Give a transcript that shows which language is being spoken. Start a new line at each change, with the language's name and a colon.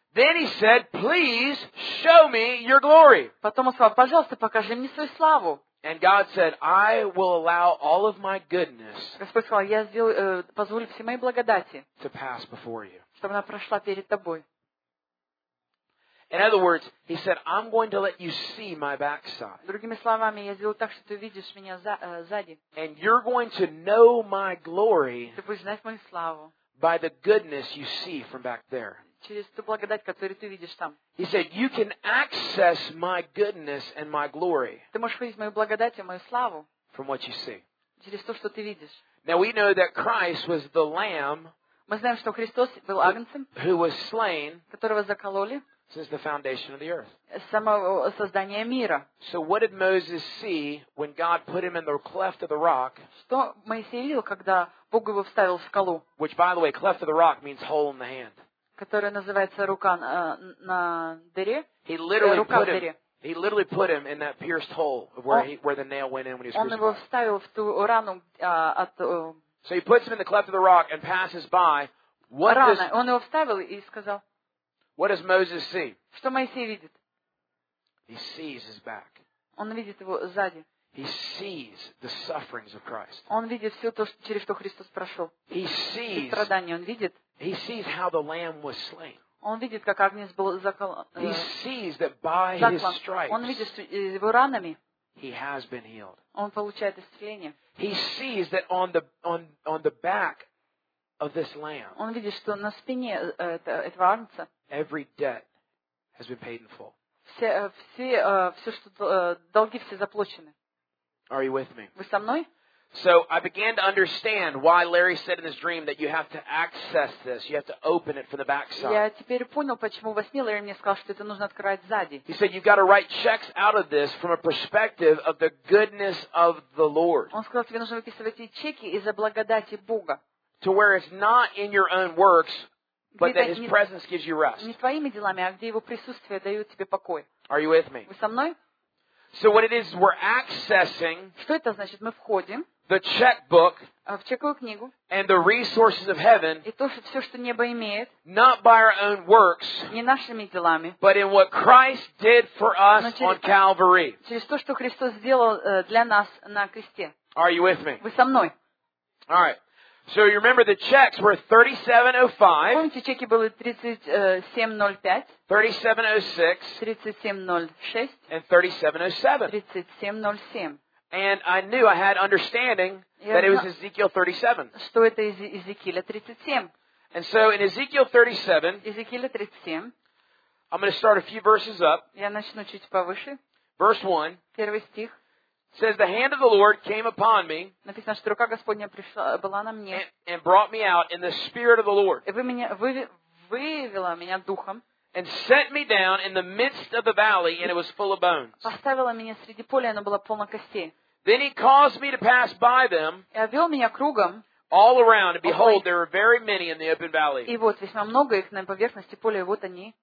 English: Then he said, "Please show me your glory."
Russian: Потом он сказал, пожалуйста, покажи мне свою славу.
English: And God said, "I will allow all of my goodness."
Russian: Господь сказал, я сделаю, позволю все мои благодати.
English: To pass before you.
Russian: Чтобы она прошла перед тобой.
English: In other words, he said, "I'm going to let you see my backside."
Russian: Другими словами, я сделаю так, что ты видишь меня сзади.
English: And you're going to know my glory.
Russian: Ты будешь знать мою славу.
English: By the goodness you see from back there.
Russian: Через ту благодать, которую ты видишь там.
English: He said, "You can access my goodness and my glory."
Russian: Ты можешь видеть мою благодать и мою славу.
English: From what you see.
Russian: Через то, что ты видишь.
English: Now we know that Christ was the Lamb.
Russian: Мы знаем, что Христос был агнцем,
English: who was slain
Russian: которого закололи
English: since the foundation of the earth.
Russian: С самого создания мира.
English: So what did Moses see when God put him in the cleft of the rock?
Russian: Что Моисей видел, когда Бог его вставил в скалу?
English: Which, by the way, cleft of the rock means hole in the hand.
Russian: Которая называется рука на дыре.
English: He literally put him. He literally put him in that pierced hole where the nail went in when he was crucified.
Russian: Он его вставил в ту рану от.
English: So he puts him in the cleft of the rock and passes by.
Russian: Он его вставил и сказал.
English: What does Moses see?
Russian: Что Моисей видит?
English: He sees his back.
Russian: Он видит его сзади.
English: He sees the sufferings of Christ.
Russian: Он видит все то, через что Христос прошел.
English: He sees.
Russian: Страдания он видит.
English: He sees how the lamb was slain.
Russian: Он видит, как агнец был заколот.
English: He sees that by his stripes.
Russian: Он видит его ранами.
English: He has been healed.
Russian: Он получает исцеление.
English: He sees that on the back of this lamb.
Russian: Он видит, что на спине этого агнца.
English: Every debt has been paid in full.
Russian: Все что долги все заплачены.
English: Are you with me?
Russian: Вы со мной?
English: So I began to understand why Larry said in his dream that you have to access this, you have to open it from the backside.
Russian: Я теперь понял, почему во сне Ларри мне сказал, что это нужно открывать сзади.
English: He said you've got to write checks out of this from a perspective of the goodness of the Lord.
Russian: Он сказал, тебе нужно выписывать эти чеки из-за благодати Бога.
English: To where it's not in your own works, but that His presence gives you rest.
Russian: Не твоими делами, а где Его присутствие дает тебе покой.
English: Are you with me?
Russian: Вы со мной?
English: So what it is, we're accessing.
Russian: Что это значит? Мы входим.
English: The checkbook.
Russian: В чековую книгу.
English: And the resources of heaven.
Russian: И то, что все, что небо имеет.
English: Not by our own works.
Russian: Не нашими делами.
English: But in what Christ did for us on Calvary.
Russian: Через то, что Христос сделал для нас на кресте.
English: Are you with me?
Russian: Вы со мной?
English: All right. So you remember the checks were 3705.
Russian: Помните, чеки были 3705.
English: 3706.
Russian: 3706.
English: And 3707.
Russian: 3707.
English: And I knew I had understanding that it was Ezekiel 37.
Russian: Что это из Иезекииля 37.
English: And so in Ezekiel 37.
Russian: Иезекииля 37.
English: I'm going to start a few verses up.
Russian: Я начну чуть повыше.
English: Verse 1.
Russian: Первый стих.
English: Says the hand of the Lord came upon me.
Russian: Написано, что рука Господня пришла была на мне.
English: And brought me out in the spirit of the Lord.
Russian: И вывела меня духом.
English: And set me down in the midst of the valley, and it was full of bones.
Russian: Поставила меня среди поля, оно было полно костей.
English: Then he caused me to pass by them.
Russian: И обвел меня кругом.
English: All around, and behold, there were very many in the open valley.
Russian: И вот весьма много их на поверхности поля, и вот они.